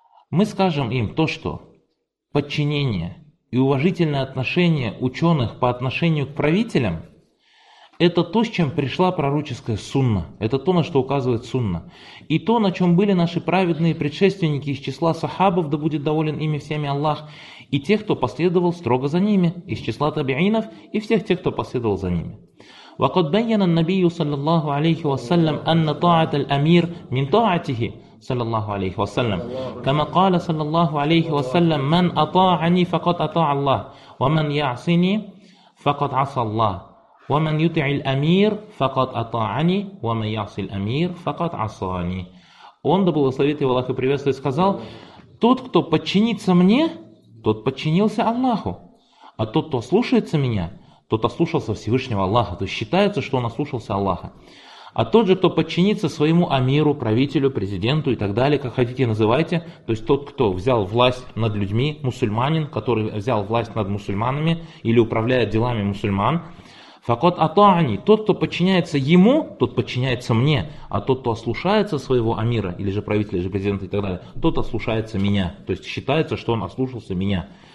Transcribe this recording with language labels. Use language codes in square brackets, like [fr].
[ru] Мы скажем им то, что подчинение и уважительное отношение ученых по отношению к правителям – это то, с чем пришла пророческая сунна. Это то, на что указывает сунна. И то, на чем были наши праведные предшественники из числа сахабов, да будет доволен ими всеми Аллах, и тех, кто последовал строго за ними, из числа табиинов и всех тех, кто последовал за ними. [ar] وَقَدْ بَيَّنَ النَّبِيُّ صَلَّى اللَّهُ عَلَيْهِ وَسَلَّمْ أَنَّ طَاعَةَ الْأَمِيرِ مِنْ طَاعَتِهِ صلى الله عليه وسلم كما قال صلى الله عليه وسلم من أطاعني فقد أطاع الله ومن يعصني فقد عصى الله ومن يطع الأمير فقد أطاعني ومن يعصي الأمير فقد عصاني. [ru] Он да благословит его Аллах и приветствует, сказал: тот, кто подчинится мне, тот подчинился Аллаху, а тот, кто слушается меня, тот ослушался Всевышнего Аллаха, то есть считается, что он ослушался Аллаха. А тот же, кто подчинится своему амиру, правителю, президенту и так далее, как хотите называйте, то есть тот, кто взял власть над людьми, мусульманин, который взял власть над мусульманами или управляет делами мусульман, [ar] факот атаани, [ru] тот, кто подчиняется ему, тот подчиняется мне, а тот, кто ослушается своего амира, или же правителя, или же президента и так далее, тот ослушается меня, то есть считается, что он ослушался меня.